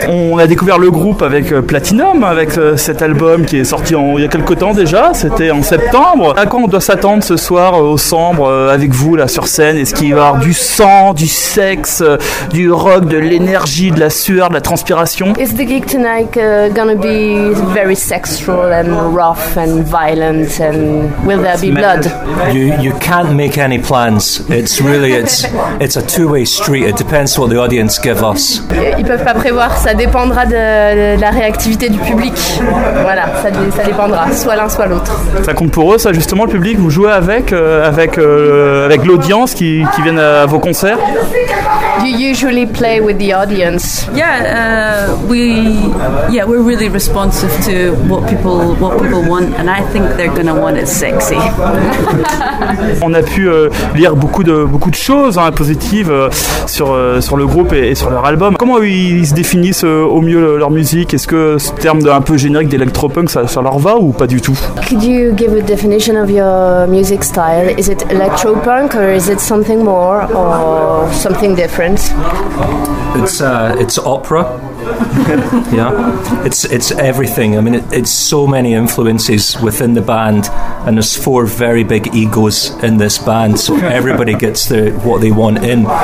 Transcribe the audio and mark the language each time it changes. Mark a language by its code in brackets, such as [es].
[fr] On a découvert le groupe avec Platinum, avec cet album qui est sorti il y a quelques temps déjà. C'était en septembre. À quoi on doit s'attendre ce soir au Sambre avec vous là sur scène? Est-ce qu'il va y avoir du sang, du sexe, du rock, de l'énergie, de la sueur, de la transpiration? [en] Is the gig tonight gonna be very sexy? And rough and violent, and will there be blood? You can't make any plans. It's really it's a two-way street. It depends what the audience give us. [fr] Ils peuvent pas prévoir. Ça dépendra de la réactivité du public. Voilà, ça dépendra. Soit l'un, soit l'autre. Ça compte pour eux, ça justement, le public. Vous jouez avec l'audience qui viennent à vos concerts. [en] You usually play with the audience. We're really responsive to what people want, and I think they're gonna want it sexy. [fr] On a pu lire beaucoup de choses positives sur le groupe et sur leur album. Comment ils se définissent au mieux leur musique? Est-ce que ce terme d'un peu générique d'électropunk ça leur va ou pas du tout? [en] Could you give a definition of your music style? Is it electropunk or is it something more or something different? It's opera. Yeah, it's everything. I mean, it's so many influences within the band, and there's four very big egos in this band, so everybody gets what they want in.